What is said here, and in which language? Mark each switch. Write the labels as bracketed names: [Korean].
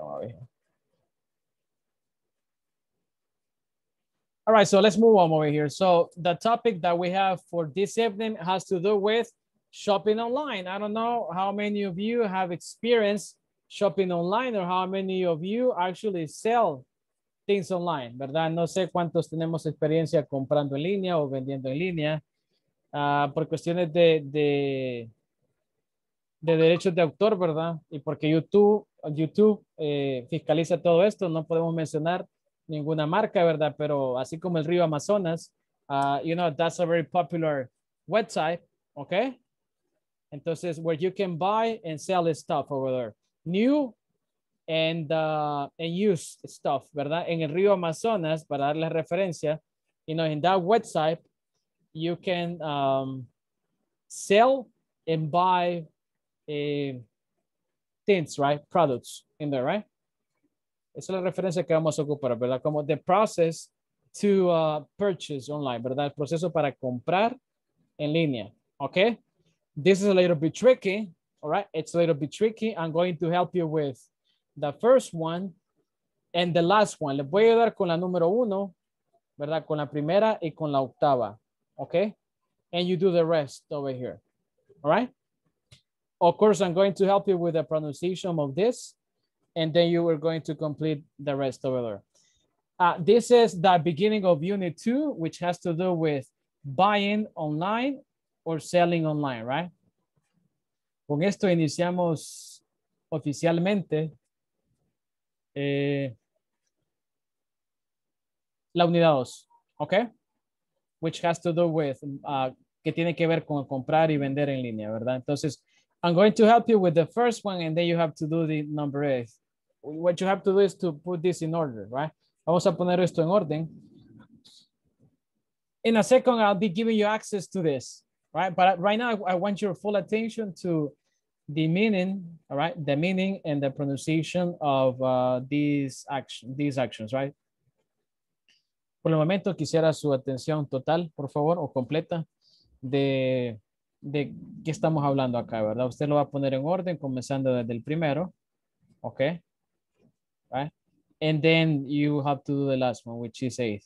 [English] All right, so let's move on over here. So the topic that we have for this evening has to do with shopping online. I don't know how many of you have experienced shopping online or how many of you actually sell things online, ¿verdad? [Spanish] No sé cuántos tenemos experiencia comprando en línea o vendiendo en línea. Por cuestiones de derechos de autor, ¿verdad? Y porque YouTube fiscaliza todo esto, no podemos mencionar ninguna marca, ¿verdad? Pero así como el río Amazonas, [English] you know, that's a very popular website, okay? Entonces, where you can buy and sell stuff over there. New and used stuff, ¿verdad? [Spanish] En el río Amazonas, para darle referencia, [English] you know, in that website, you can sell and buy things, right? Products in there, right? [Spanish] Esa es la referencia que vamos a ocupar, ¿verdad? [English] Como the process to purchase online, ¿verdad? [Spanish] El proceso para comprar en línea, okay? [English] This is a little bit tricky, all right? It's a little bit tricky. I'm going to help you with the first one and the last one. [Spanish] Les voy a ayudar con la número uno, ¿verdad? Con la primera y con la octava, okay? [English] And you do the rest over here, all right? Of course, I'm going to help you with the pronunciation of this, and then you are going to complete the rest over there. This is the beginning of unit two, which has to do with buying online or selling online, right? [Spanish] Con esto iniciamos oficialmente la unidad 2, okay? [English] Which has to do with, [Spanish] que tiene que ver con comprar y vender en línea, ¿verdad? [English] Entonces, I'm going to help you with the first one and then you have to do the number 8. What you have to do is to put this in order, right? [Spanish] Vamos a poner esto en orden. [English] In a second, I'll be giving you access to this. Right, but right now I want your full attention to the meaning, all right, the meaning and the pronunciation of these actions, right? [Spanish] Por el momento quisiera su atención total, por favor, o completa de qué estamos hablando acá, ¿verdad? Usted lo va a poner en orden comenzando desde el primero, okay? [English] Right? And then you have to do the last one, which is 8.